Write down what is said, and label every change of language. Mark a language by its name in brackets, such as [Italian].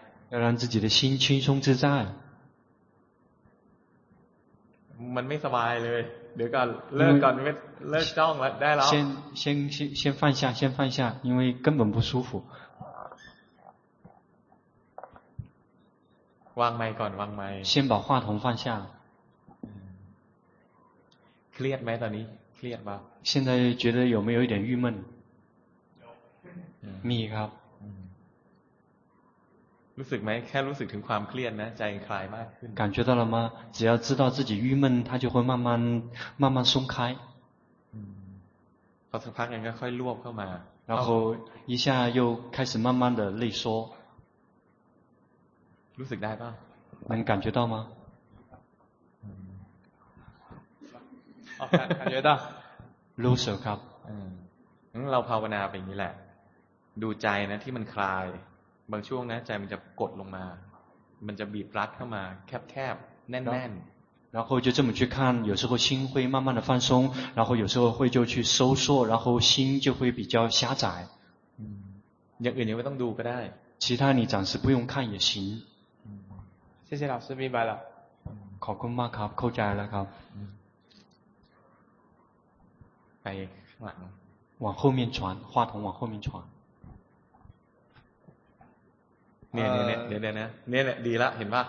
[Chinese] 要让自己的心轻松自在。 [Thai] มันไม่สบายเลยเดี๋ยวก่อนเลิกก่อนไม่เลิกจ้องแล้วได้แล้ว [Chinese] 先放下先放下因为根本不舒服 [Thai] วางไมค์ก่อนวางไมค์ [Chinese] 先把话筒放下 [Thai] เครียดไหมตอนนี้เครียดป่ะ [Chinese] 现在觉得有没有一点郁闷 [Thai] มีครับ รู้สึกไหมแค่รู้สึกถึงความเครียดนะใจคลายมากขึ้น [Chinese] 感觉到了吗只要知道自己郁闷它就会慢慢松开 [Thai] พอสักพักยังก็ค่อยรวบเข้ามา [Chinese] 然后一下又开始慢慢的内缩 [Thai] รู้สึกได้ป่ะ [Chinese] 能感觉到吗感觉到 [Thai] รู้สึกครับ เราภาวนาแบบนี้แหละดูใจนะที่มันคลายบางช่วงนะใจมันจะกดลงมามันจะบีบรัดเข้ามาแคบๆแน่นๆแ ล้วก็ [Chinese] 就这么去看有时候心会慢慢的放松然后有时候会就去收缩然后心就会比较狭窄 [Thai] อย่างอื่นยังไม่ต้องดูก็ได้ [Chinese] 其他你暂时不用看也行谢谢老师明白了 [Thai] ขอบคุณมากครับเข้าใจแล้วครับ ไปข้างหลัง [Chinese] 往后面传话筒往后面传 [Thai] เนี่ยเนี่ยเดี๋ยวนะเนี่ยแหละดีละเห็นป่ะ